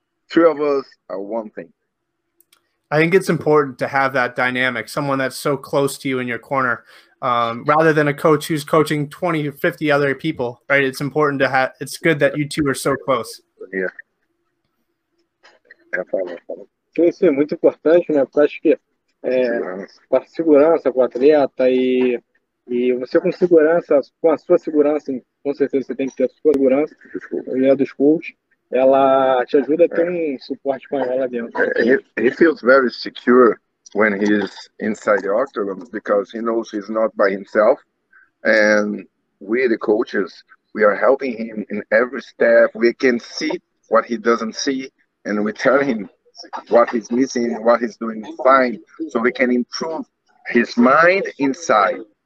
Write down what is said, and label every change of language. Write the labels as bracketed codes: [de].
[en] Three of us are one thing. I think it's important to have that dynamic, someone that's so close to you in your corner, rather than a coach who's coaching 20 or 50 other people, right? It's important to have – it's good that you two are so close. Yeah. [pt] Sim, sim, muito importante, né? Porque acho que com a segurança, com o atleta e você com segurança, com a sua segurança, com certeza você tem que ter a sua segurança, a dos coaches. Ela te ajuda a ter suporte com ela dentro. [en] He feels very secure when he is inside the octagon because he knows he's not by himself. And we, the coaches, we are helping him in every step. We can see what he doesn't see, and we tell him what he's missing, what he's doing fine, so we can improve his mind inside.